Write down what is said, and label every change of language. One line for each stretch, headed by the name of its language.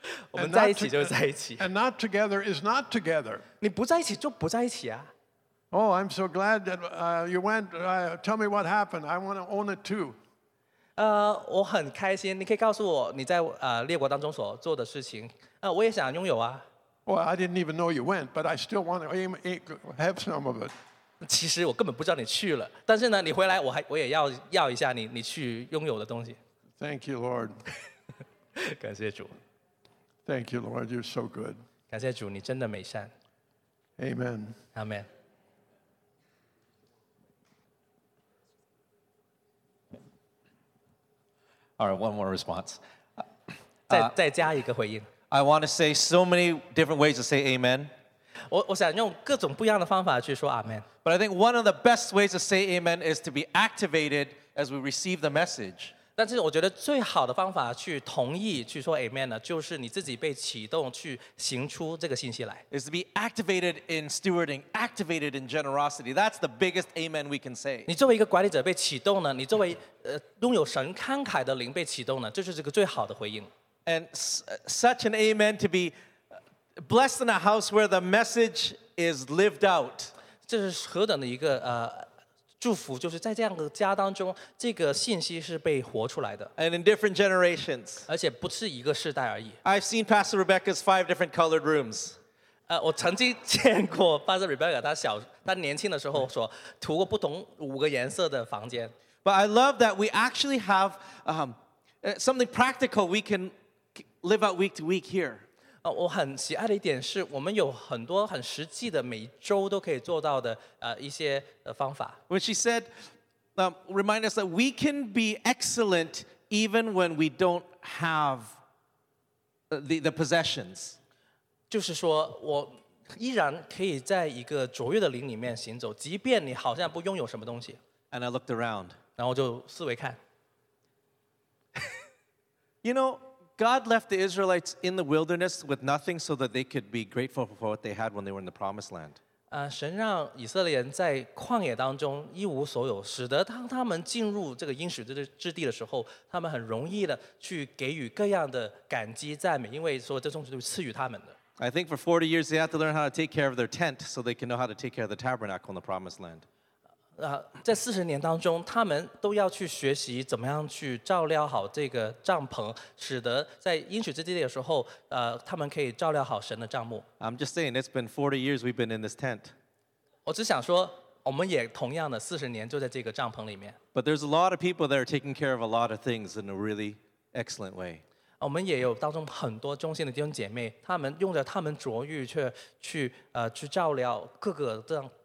Chinese: 我们在一起就是在一起。
English: And not together is not together.
Chinese: 你不在一起就不在一起啊。
English: Oh, I'm so glad that you went. Tell me what happened. I want to own it too.
Chinese: 我很开心。你可以告诉我你在列国当中所做的事情。我也想拥有啊。
English: Well, I didn't even know you went, but I still want to have some of it.
Chinese: 其实我根本不知道你去了，但是呢，你回来我也要一下你去拥有的东西。
English: Thank you, Lord.
Chinese: 感谢主。
English: Thank you, Lord. You're so good.
Chinese: 感谢主，你真的美善。
English: Amen. Amen. All right, one more response.
Chinese: 再加一个回应。
English: I want to say so many different ways to say amen.
Chinese: 我想用各种不一样的方法去说 amen.
English: But I think one of the best ways to say amen is to be activated as we receive the message.
Chinese: 但是我觉得最好的方法去同意去说 amen 呢，就是你自己被启动去行出这个信息来。
English: Is to be activated in stewarding, activated in generosity. That's the biggest amen we can say.
Chinese: 你作为一个管理者被启动呢，你作为拥有神慷慨的灵被启动呢，这是这个最好的回应。
English: And such an amen to be blessed in a house where the message is lived out.
Chinese: 这是何等的一个祝福，就是在这样的家当中，这个信息是被活出来的。
English: And in different generations.
Chinese: 而且不是一个世代而已。
English: I've seen Pastor Rebecca's 5 different colored rooms.
Chinese: 我曾经见过 Pastor Rebecca, 她年轻的时候所涂过不同五个颜色的房间。
English: But I love that we actually have something practical we can live out week to week here.
Chinese: 我很喜爱的一点是我们有很多很实际的每周都可以做到的一些方法。
English: When she said, remind us that we can be excellent even when we don't have the possessions.
Chinese: 就是说我依然可以在一个卓越的灵里面行走，即便你好像不拥有什么东西。
English: And I looked around.
Chinese: 然后就四围看。
English: You know, God left the Israelites in the wilderness with nothing so that they could be grateful for what they had when they were in the promised land.
Chinese: 神让以色列人在旷野当中一无所有，使得当他们进入这个应许之地的时候，他们很容易的去给予各样的感激赞美，因为说这东西都赐予他们的。
English: I think for 40 years they had to learn how to take care of their tent so they can know how to take care of the tabernacle in the promised land.
Chinese: 在四十年当中，他们都要去学习怎么样去照料好这个帐篷，使得在应许之地的时候，他们可以照料好神的帐幕。
English: I'm just saying, it's been 40 years we've been in this tent.
Chinese: 我只想说，我们也同样的四十年就在这个帐篷里面。
English: But there's a lot of people that are taking care of a lot of things in a really excellent way.
Chinese: 我们也有当中很多忠心的弟兄姐妹，他们用着他们卓越却去照料各个这样。